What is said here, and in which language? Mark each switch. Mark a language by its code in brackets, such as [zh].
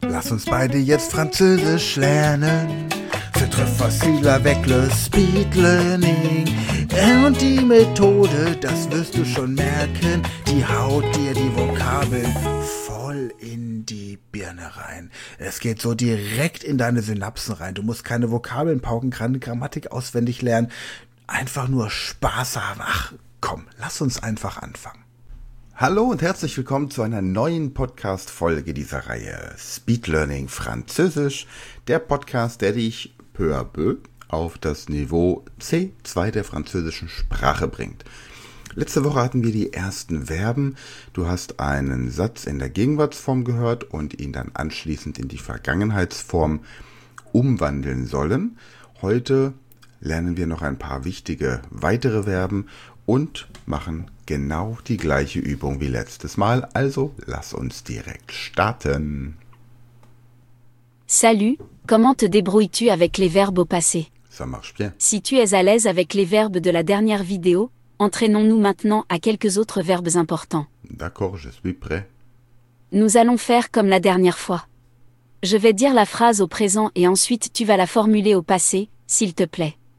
[de] lass uns beide jetzt Französisch lernen. [fr] C'est très facile avec le speed learning. [de] Und die Methode, das wirst du schon merken, die haut dir die Vokabeln voll in die Birne rein. Es geht so direkt in deine Synapsen rein. Du musst keine Vokabeln pauken, keine Grammatik auswendig lernen. Einfach nur Spaß haben. Ach komm, lass uns einfach anfangen. Hallo und herzlich willkommen zu einer neuen Podcast-Folge dieser Reihe Speed Learning Französisch, der Podcast, der dich [fr] peu à peu [de] auf das Niveau C2 der französischen Sprache bringt. Letzte Woche hatten wir die ersten Verben. Du hast einen Satz in der Gegenwartsform gehört und ihn dann anschließend in die Vergangenheitsform umwandeln sollen. Heute lernen wir noch ein paar wichtige weitere Verben und machen genau die gleiche Übung wie letztes Mal. Also lass uns direkt starten. [fr] Salut, comment te débrouilles-tu avec les verbes au passé? Ça marche bien. Si tu es à l'aise avec les verbes de la dernière vidéo, entraînons-nous maintenant à quelques autres verbes importants. D'accord, je suis prêt. Nous allons faire comme la dernière fois. Je vais dire la phrase au présent et ensuite tu vas la formuler au passé, s'il te plaît.